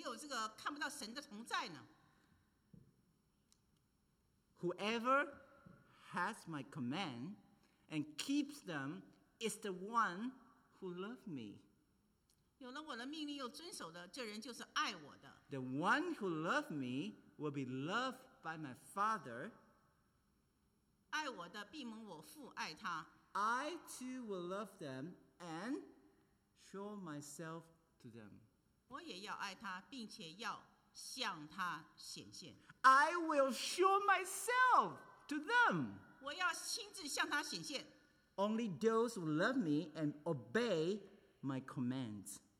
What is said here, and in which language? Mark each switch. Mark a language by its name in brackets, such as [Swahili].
[Chinese] 我喜欢，我爱神，我也愿意为神做事，但是我为什么就是没有这个喜悦，没有这个看不到神的同在呢？ [English] Whoever has my command and keeps them is the one who loves me. [Chinese] 有了我的命令又遵守的，这人就是爱我的。 [English] The one who loves me will be loved by my Father. [Chinese] 爱我的必蒙我父爱他。 [English] I too will love them and show myself to them. [Chinese] 我也要爱他，并且要向他显现。 [English] I will show myself to them. [Chinese] 我要亲自向他显现。 [English] Only those who love me and obey my commands.